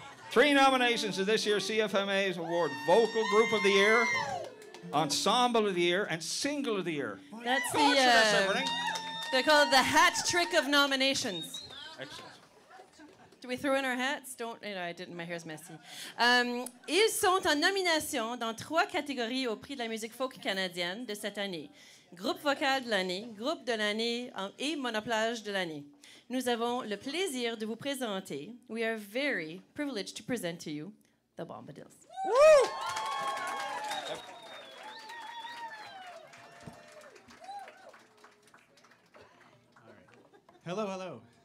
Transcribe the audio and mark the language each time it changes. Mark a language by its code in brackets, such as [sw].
[en] Three nominations to this year's CFMA's award, Vocal Group of the Year, Ensemble of the Year, and Single of the Year. That's the, they call it the hat trick of nominations. Excellent. Do we throw in our hats? Don't, you know, I didn't, my hair's messy. [fr] Ils sont en nomination dans trois catégories au prix de la musique folk canadienne de cette année. Groupe vocal de l'année, groupe de l'année et monoplage de l'année. Nous avons le plaisir de vous présenter. [en] We are very privileged to present to you the Bombadils. Woo! All right. Hello, hello.